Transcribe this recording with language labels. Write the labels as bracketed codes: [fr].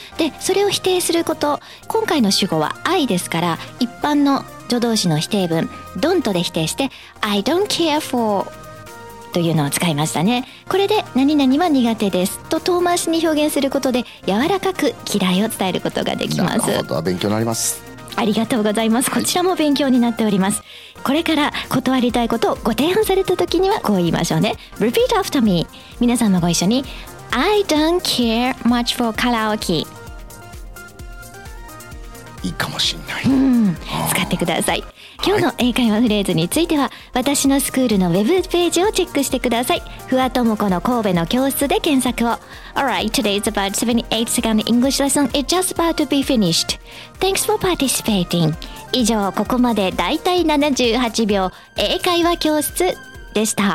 [ja] で、それを否定すること、今回の主語は I ですから一般の助動詞の否定文 don't で否定して [en] I don't care for [ja] というのを使いましたね。これで何々は苦手ですと遠回しに表現することで柔らかく嫌いを伝えることができます。なるほど、勉強になります。ありがとうございます。こちらも勉強になっております、はい、これから断りたいことをご提案された時にはこう言いましょうね。 [en] Repeat after me。 [ja] 皆さんもご一緒に [en] I don't care much for karaoke。 [ja] いいかもしれない、うん、使ってください。今日の英会話フレーズについては、はい、私のスクールのウェブページをチェックしてください。ふわともこの神戸の教室で検索を。 [en] Alright, today is about 78 second English lesson. It's just about to be finished. Thanks for participating. [ja] 以上、ここまでだいたい78秒英会話教室でした。